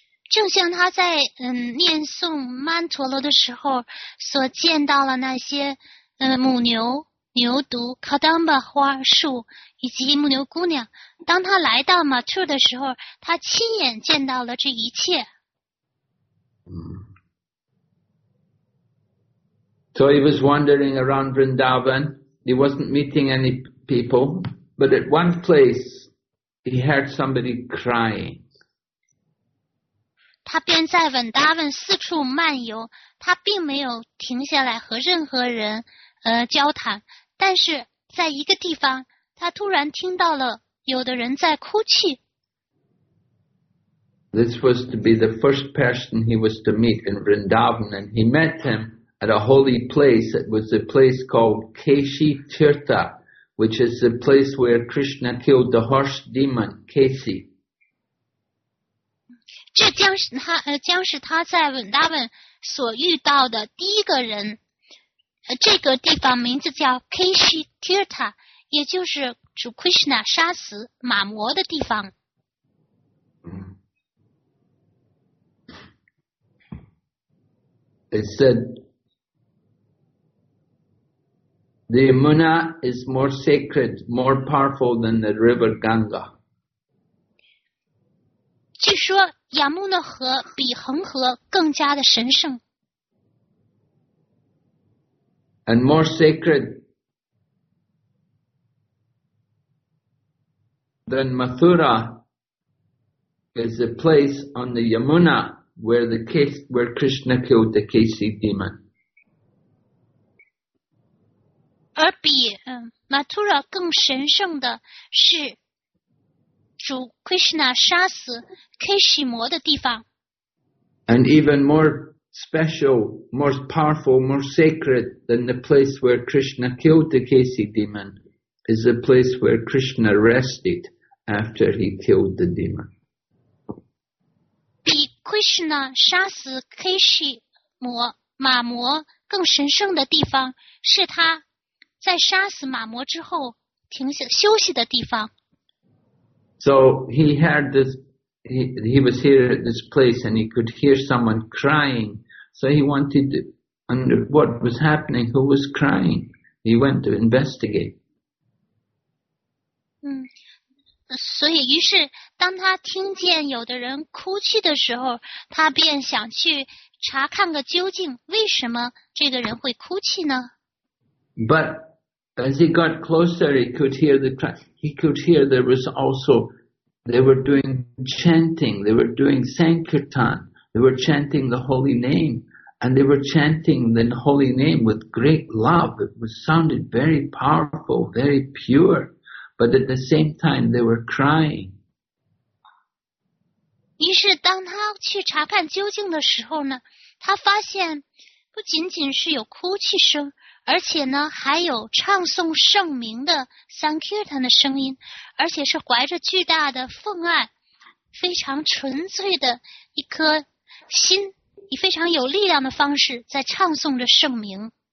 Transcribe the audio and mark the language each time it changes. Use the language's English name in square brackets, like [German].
[Chinese] 正像他在念诵曼陀罗的时候所见到了那些母牛、牛犊、Kadamba花树以及母牛姑娘，当他来到 Mathura 的时候，他亲眼见到了这一切。 [English] So he was wandering around Vrindavan, he wasn't meeting any people. But at one place, he heard somebody crying. [Chinese] 他便在文达文四处漫游，他并没有停下来和任何人交谈。但是在一个地方，他突然听到了有的人在哭泣。 [English] This was to be the first person he was to meet in Vrindavan, and he met him at a holy place. It was a place called Keshi Tirtha. Which is the place where Krishna killed the horse demon, Kesi. [Chinese] 这将是他在文达文所遇到的第一个人。这个地方名字叫 Keshi Tirtha, 也就是主 Krishna 杀死马魔的地方。 [English] It said,The Yamuna is more sacred, more powerful than the river Ganga. [Chinese] 据说雅穆纳河比恒河更加的神圣。 [English] And more sacred than Mathura is the place on the Yamuna where Krishna killed the Kesi demon. [Chinese] 而比Mathura 更神圣的是主 Krishna 杀死 Keshi 魔的地方。 [English] And even more special, more powerful, more sacred than the place where Krishna killed the Keshi demon is the place where Krishna rested after he killed the demon. [Chinese] 比 Krishna 杀死 Keshi 魔马魔更神圣的地方是他。在杀死马魔之后停下休息的地方。 [English] So he heard this, he was here at this place and he could hear someone crying. So he wanted to wonder what was happening, who was crying. He went to investigate. [Chinese] 所以于是当他听见有的人哭泣的时候，他便想去查看个究竟，为什么这个人会哭泣呢？ [English] ButAs he got closer, he could hear the cry. He could hear there was also, they were doing chanting, they were doing sankirtan, they were chanting the holy name, and they were chanting the holy name with great love. It was, sounded very powerful, very pure, but at the same time they were crying. [Chinese] 于是当他去查看究竟的时候呢，他发现不仅仅是有哭泣声，而且呢还有唱诵圣名的 Sankirtan 的声音，而且是怀着巨大的奉爱，非常纯粹的一颗心，以非常有力量的方式在唱诵着圣名。